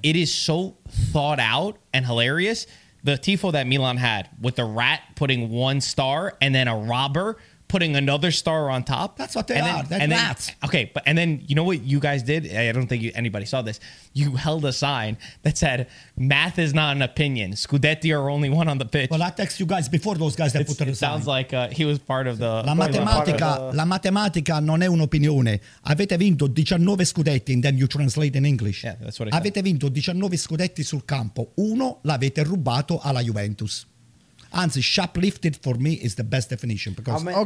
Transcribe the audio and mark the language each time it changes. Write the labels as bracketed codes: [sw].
[en] It is so thought out and hilarious. The tifo that Milan had with the rat putting one star and then a robber putting another star on top. That's what they are. And that's rats. Okay. And then you know what you guys did? I don't think anybody saw this. You held a sign that said, math is not an opinion. Scudetti are only one on the pitch. Well, I text you guys before those guys that put the sign. It sounds like he was part of the... [it] La matematica non è un'opinione. Avete vinto 19 Scudetti, [en] and then you translate in English. Yeah, that's what I said. [it] Avete vinto 19 Scudetti sul campo. Uno l'avete rubato alla Juventus. [en] Anzi, shoplifted for me is the best definition because.